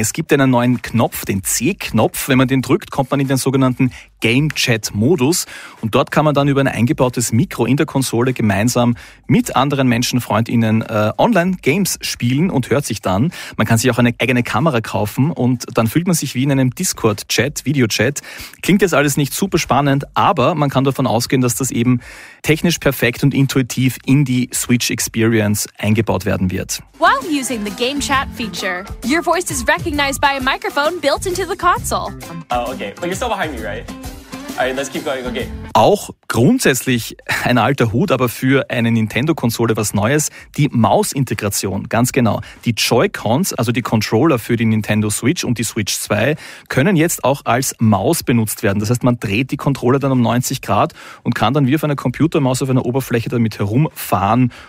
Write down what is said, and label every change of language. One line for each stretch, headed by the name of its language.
German: Es gibt einen neuen Knopf, den C-Knopf. Wenn man den drückt, kommt man in den sogenannten Game-Chat-Modus und dort kann man dann über ein eingebautes Mikro in der Konsole gemeinsam mit anderen Menschen, FreundInnen, Online-Games spielen und hört sich dann. Man kann sich auch eine eigene Kamera kaufen und dann fühlt man sich wie in einem Discord-Chat, Video-Chat. Klingt jetzt alles nicht super spannend, aber man kann davon ausgehen, dass das eben technisch perfekt und intuitiv in die Switch-Experience eingebaut werden wird.
English: While using the Game Chat feature, your voice is recognized by a microphone built into the console. Oh, okay. But you're still behind me, right? Alright, let's keep going, okay.
German: Auch grundsätzlich ein alter Hut, aber für eine Nintendo-Konsole was Neues, die Maus-Integration, ganz genau. Die Joy-Cons, also die Controller für die Nintendo Switch und die Switch 2, können jetzt auch als Maus benutzt werden. Das heißt, man dreht die Controller dann um 90 Grad und kann dann wie auf einer Computermaus auf einer Oberfläche damit herumfahren